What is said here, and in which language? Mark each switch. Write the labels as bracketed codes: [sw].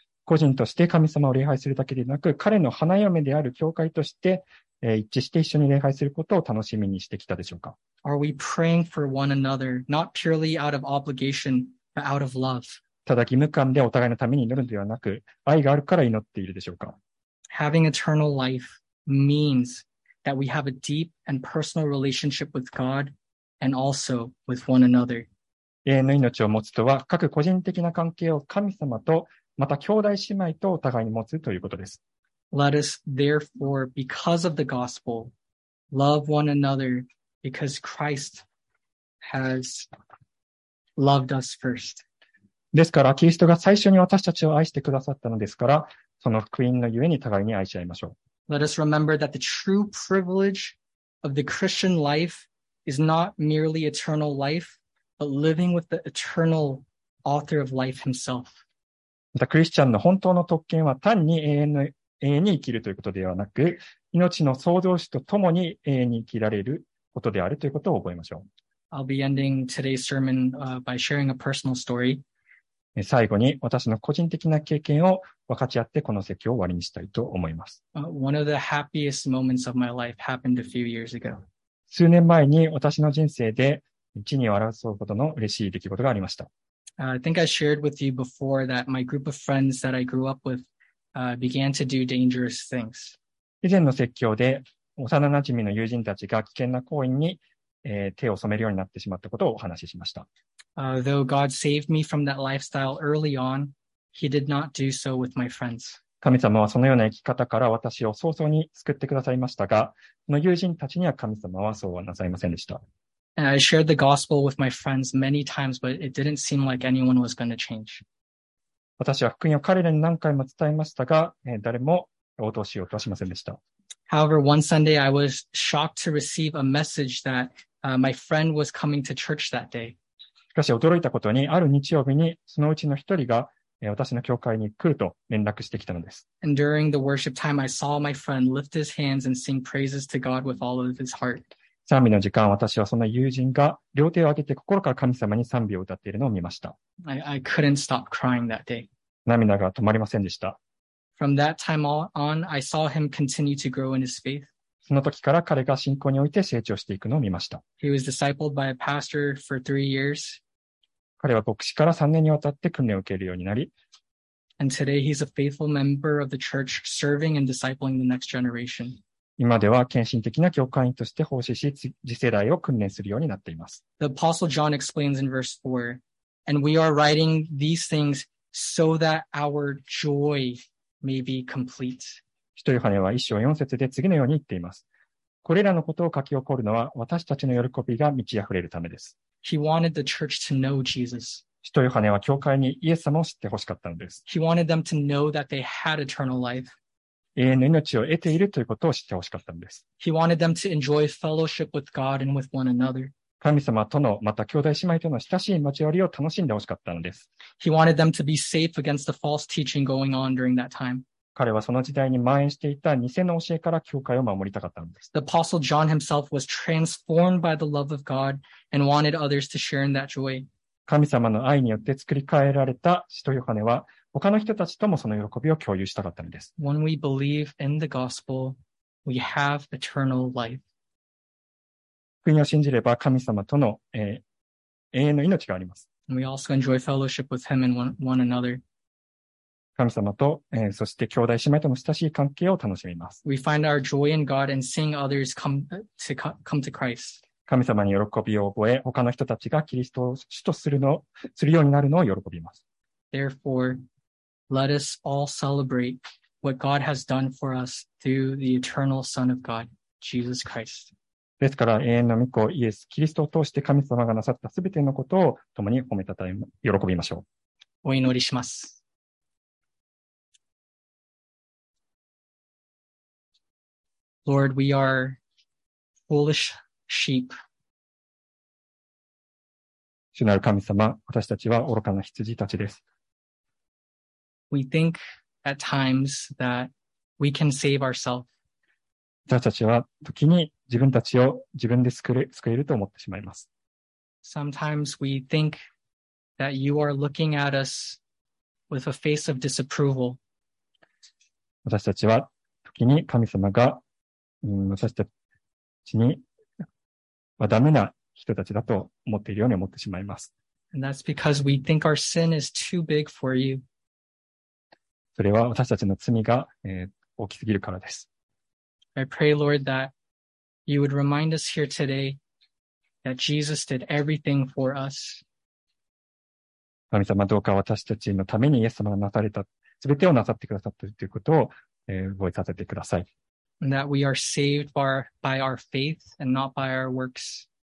[ja] 個人として神様を礼拝するだけでなく、彼の花嫁である教会として、一致して一緒に礼拝することを楽しみにしてきたでしょうか。 [en] Are we praying for one another not purely out of obligation but out of love? [ja] ただ義務感でお互いのために祈るのではなく、愛があるから祈っているでしょうか。 [en] Having eternal life means that we have a deep and personal relationship with God. And also with one another. [ja] 永遠の命を持つとは、各個人的な関係を神様と、また兄弟姉妹とお互いに持つということです。 [en] Let us therefore, because of the gospel, love one another because Christ has loved us first. [ja] ですから、キリストが最初に私たちを愛してくださったのですから、その福音のゆえに互いに愛し合いましょう。 [en] Let us remember that the true privilege of the Christian life is not merely eternal life, but living with the eternal author of life himself. [ja] またクリスチャンの本当の特権は単に永遠に生きるということではなく、命の創造主と共に永遠に生きられることであるということを覚えましょう。 [en] I'll be ending today's sermon by sharing a personal story. [ja] 最後に私の個人的な経験を分かち合ってこの説教を終わりにしたいと思います。 [en] One of the happiest moments of my life happened a few years ago. [ja] 数年前に私の人生で地に笑うほどの嬉しい出来事がありました。 [en] I think I shared with you before that my group of friends that I grew up with began to do dangerous things. [ja] 以前の説教で幼馴染の友人たちが危険な行為に手を染めるようになってしまったことをお話ししました。 [en] Though God saved me from that lifestyle early on, He did not do so with my friends. [ja] 神様はそのような生き方から私を早々に救ってくださいましたが、その友人たちには神様はそうはなさいませんでした。 [en] And I shared the gospel with my friends many times, but it didn't seem like anyone was going to change. [ja] 私は福音を彼らに何回も伝えましたが、誰も応答しようとはしませんでした。 [en] However, one Sunday I was shocked to receive a message that my friend was coming to church that day. [ja] しかし驚いたことに、ある日曜日にそのうちの一人が私の教会に来ると連絡してきたのです。 [en] And during the worship time, I saw my friend lift his hands and sing praises to God with all of his heart. [ja] 賛美の時間、私はその友人が両手を挙げて心から神様に賛美を歌っているのを見ました。 [en] I couldn't stop crying that day. [ja] 涙が止まりませんでした。 [en] From that time on, I saw him continue to grow in his faith. [ja] その時から彼が信仰において成長していくのを見ました。 [en] He was discipled by a pastor for three years. [ja] 彼は牧師から3年にわたって訓練を受けるようになり、 [en] And today he's a faithful member of the church, serving and discipling the next generation. [ja] 今では献身的な教会員として奉仕し、次世代を訓練するようになっています。 [en] The apostle John explains in verse 4, And we are writing these things so that our joy may be complete. [ja] 使徒ヨハネは1章4節で次のように言っています。これらのことを書き起こるのは私たちの喜びが満ち溢れるためです。 [en] He wanted the church to know Jesus. [ja] 使徒ヨハネは教会にイエス様を知ってほしかったのです。 [en] He wanted them to know that they had eternal life. [ja] 永遠の命を得ているということを知ってほしかったのです。 [en] He wanted them to enjoy fellowship with God and with one another. [ja] 神様との、また兄弟姉妹との親しい交わりを楽しんでほしかったのです。 [en] He wanted them to be safe against the false teaching going on during that time. [ja] 彼はその時代に蔓延していた偽の教えから教会を守りたかったのです。 [en] The apostle John himself was transformed by the love of God and wanted others to share in that joy. [ja] 神様の愛によって作り変えられた使徒ヨハネは、他の人たちともその喜びを共有したかったのです。 [en] When we believe in the gospel, we have eternal life. [ja] 福音を信じれば神様との、永遠の命があります。 [en] And we also enjoy fellowship with him and one another. [ja] 神様と、そして兄弟姉妹との親しい関係を楽しみます。 [en] We find our joy in God and seeing others come to Christ. [ja] 神様に喜びを覚え、他の人たちがキリストを主とするようになるのを喜びます。 [en] Therefore,Let us all celebrate what God has done for us through the eternal Son of God, Jesus Christ. [ja] ですから永遠の御子イエス・キリストを通して神様がなさったすべてのことを共に褒めたたえ、喜びましょう。お祈りします。 [en] Lord, we are foolish sheep. [ja] 主なる神様、私たちは愚かな羊たちです。 [en] We think at times that we can save ourselves. [ja] 私たちは時に自分たちを自分で救えると思ってしまいます。 [en] Sometimes we think that you are looking at us with a face of disapproval. [ja] 私たちは時に神様が、私たちにはダメな人たちだと思っているように思ってしまいます。 [en] And that's because we think our sin is too big for you. [ja] それは私たちの罪が、大きすぎるからです。 [en] I pray, Lord, that you would remind us here today that Jesus did everything for us. [ja] 神様、どうか私たちのためにイエス様がなされた、すべてをなさってくださったということを、覚えさせてください。 [en] And that we are saved by our faith and not by our works.